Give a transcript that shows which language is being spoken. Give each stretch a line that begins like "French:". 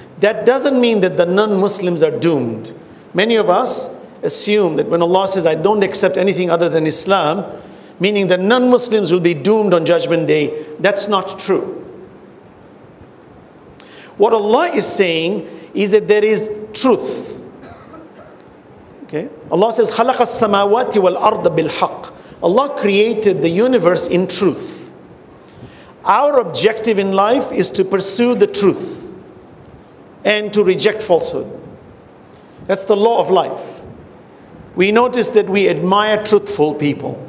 English: That doesn't mean that the non-Muslims are doomed. Many of us assume that when Allah says, I don't accept anything other than Islam, meaning that non-Muslims will be doomed on Judgment Day. That's not true. What Allah is saying is that there is truth. Okay?
Arabic: Allah says, خَلَقَ السَّمَاوَاتِ وَالْأَرْضَ بِالْحَقِّ.
English: Allah created the universe in truth. Our objective in life is to pursue the truth and to reject falsehood. That's the law of life. We notice that we admire truthful people.